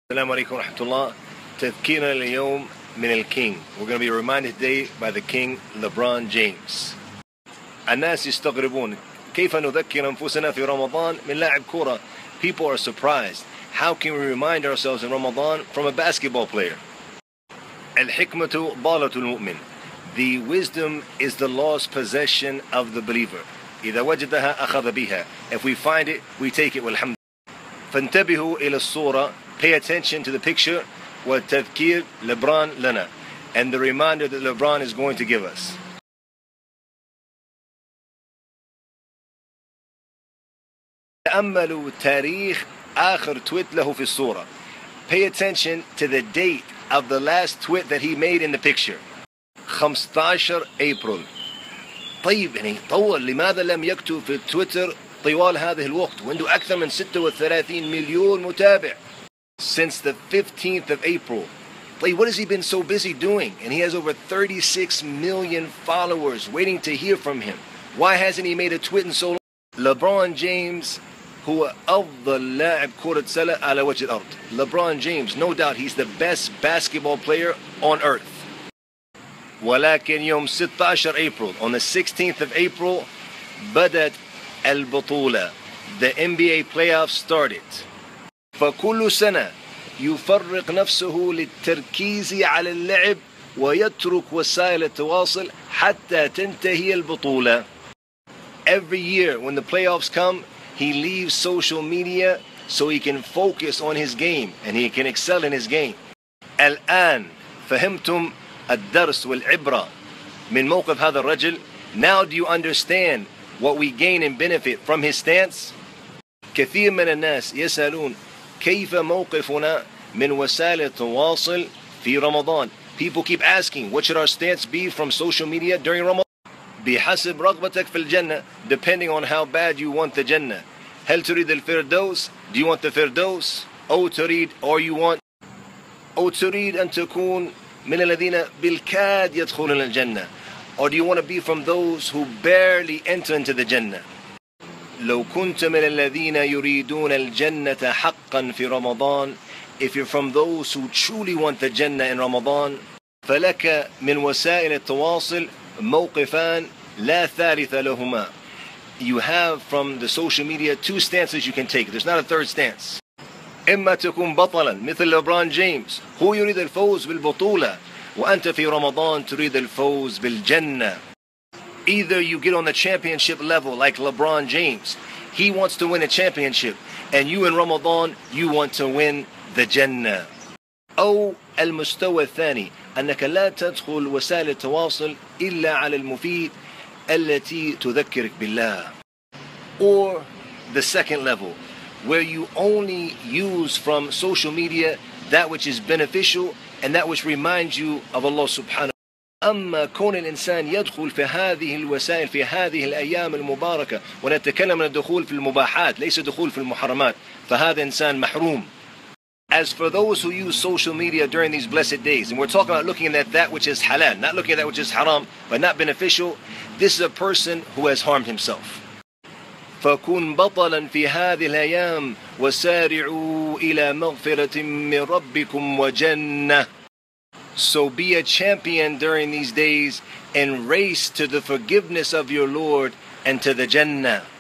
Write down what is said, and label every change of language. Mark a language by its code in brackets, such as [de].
[ar] السلام عليكم ورحمة الله. تذكيرنا اليوم من الكينج. [en] We're going to be reminded today by the king LeBron James. [ar] الناس يستغربون كيف نذكر أنفسنا في رمضان من لاعب كرة. [en] People are surprised. How can we remind ourselves in Ramadan from a basketball player? [ar] الحكمة ضالة المؤمن. [en] The wisdom is the lost possession of the believer. [ar] إذا وجدها أخذ بها. [en] If we find it, we take it. [ar] والحمد لله. فانتبهوا إلى الصورة. [en] Pay attention to the picture [ar] والتذكير لبران لنا [en] and the reminder that LeBron is going to give us. [ar] تأملوا تاريخ آخر تويت له في الصورة. [en] Pay attention to the date of the last tweet that he made in the picture. 15 April. [ar] طيب يعني طول لماذا لم يكتب في تويتر طوال هذا الوقت عنده أكثر من 36 مليون متابع. [en] Since the 15th of April. Like, what has he been so busy doing? And he has over 36 million followers waiting to hear from him. Why hasn't he made a tweet in so long? [ar] LeBron James, هو أفضل لاعب كرة سلة على وجه الأرض. [en] LeBron James, no doubt he's the best basketball player on earth. [ar] ولكن يوم 16 [en] April, on the 16th of April, [ar] بدأت البطولة. [en] The NBA playoffs started. [ar] فكل سنة يفرق نفسه للتركيز على اللعب ويترك وسائل التواصل حتى تنتهي البطولة. [en] Every year when the playoffs come, he leaves social media so he can focus on his game and he can excel in his game. [ar] الآن فهمتم الدرس والعبرة من موقف هذا الرجل. [en] Now do you understand what we gain and benefit from his stance? [ar] كثير من الناس يسألون كيف موقفنا من وسائل التواصل في رمضان. [en] People keep asking, what should our stance be from social media during Ramadan? [ar] بحسب رغبتك في الجنة, [en] depending on how bad you want the Jannah. [ar] هل تريد الفردوس? [en] Do you want the فردوس? [ar] أو تريد أن تكون من الذين بالكاد يدخلون الجنة? [en] Or do you want to be from those who barely enter into the Jannah? [ar] لو كنت من الذين يريدون الجنة حقا في رمضان, [en] if you're from those who truly want the Jannah in Ramadan, [ar] فلك من وسائل التواصل موقفان لا ثالث لهما. [en] You have from the social media two stances you can take. There's not a third stance. [ar] إما تكون بطلا مثل LeBron James, هو يريد الفوز بالبطولة, وأنت في رمضان تريد الفوز بالجنة. [en] Either you get on the championship level like LeBron James. He wants to win a championship. And you in Ramadan, you want to win the Jannah. [ar] أو المستوى الثاني أنك لا تدخل وسائل التواصل إلا على المفيد التي تذكرك بالله. [en] Or the second level, where you only use from social media that which is beneficial and that which reminds you of Allah subhanahu. [ar] أما كون الإنسان يدخل في هذه الوسائل في هذه الأيام المباركة ونتكلم عن الدخول في المباحات ليس دخول في المحرمات فهذا إنسان محروم. [en] As for those who use social media during these blessed days, and we're talking about looking at that which is halal, not looking at that which is haram, but not beneficial, this is a person who has harmed himself. [ar] فكن بطلا في هذه الأيام وسارعوا إلى مغفرة من ربكم وجنة. [en] So be a champion during these days and race to the forgiveness of your Lord and to the Jannah.